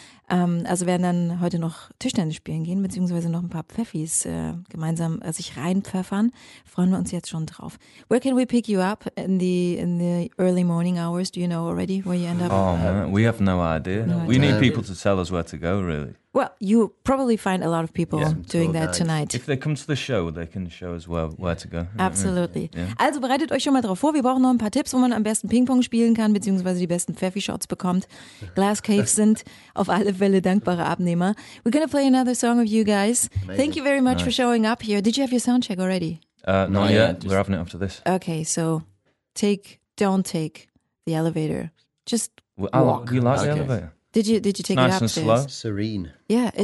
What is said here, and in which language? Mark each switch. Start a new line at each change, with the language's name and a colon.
German: Ja, also werden dann heute noch Tischtennis spielen gehen, beziehungsweise noch ein paar Pfeffis gemeinsam sich reinpfeffern. Freuen wir uns jetzt schon drauf.
English: Where can we pick you up in the early morning hours? Do you know already where you end up? Oh, man, we have no idea. We need people to tell us where to go, really. Well, you probably find a lot of people doing that tonight. If they come to the show, they can show us where to go. Absolutely. Yeah.
German: Also bereitet euch schon mal drauf vor. Wir brauchen noch ein paar Tipps, wo man am besten Ping-Pong spielen kann, beziehungsweise die besten Pfeffi-Shots bekommt. Glass Caves sind auf alle Fälle dankbare Abnehmer.
English: We're going to play another song of you guys. Amazing. Thank you very much for showing up here. Did you have your sound check already? Not yet. We're having it after this. Okay, so don't take the elevator. Just walk. You like the elevator? Did you take nice it upstairs? Nice and slow. Serene. Yeah, it